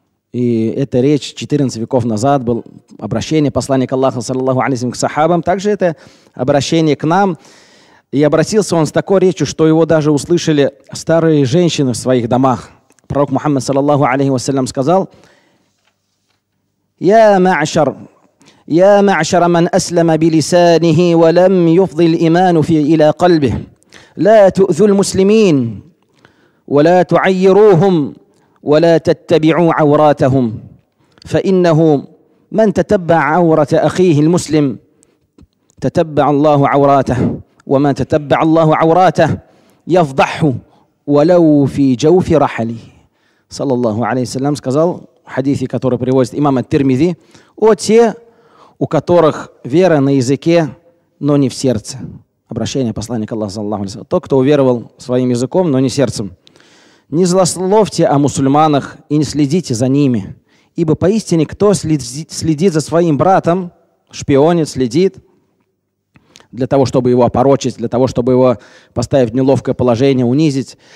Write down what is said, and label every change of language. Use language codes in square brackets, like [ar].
[ru] И эта речь 14 веков назад было обращение посланника Аллаха, саллаллаху алейхи к сахабам. Также это обращение к нам. И обратился он с такой речью, что его даже услышали старые женщины в своих домах. Пророк Мухаммад, саллаллаху алейхи вассалям, сказал: «Я ма'ашар». [ar] يا معشر من أسلم بلسانه ولم يفض الإيمان في إلى قلبه لا تؤذوا المسلمين ولا تعيروهم ولا تتبعوا عوراتهم فإنه من تتبع عورة أخيه المسلم تتبع الله عوراته ومن تتبع الله عوراته يفضحه ولو في جوف رحله صلى الله عليه وسلم [ru] сказал حديث который приводит имам ат-Тирмизи вот те у которых вера на языке, но не в сердце. Обращение посланника Аллаха, саллаллаху алейхи ва саллям. Тот, кто уверовал своим языком, но не сердцем. Не злословьте о мусульманах и не следите за ними. Ибо поистине, кто следит за своим братом, шпионит, следит для того, чтобы его опорочить, для того, чтобы его поставить в неловкое положение, унизить.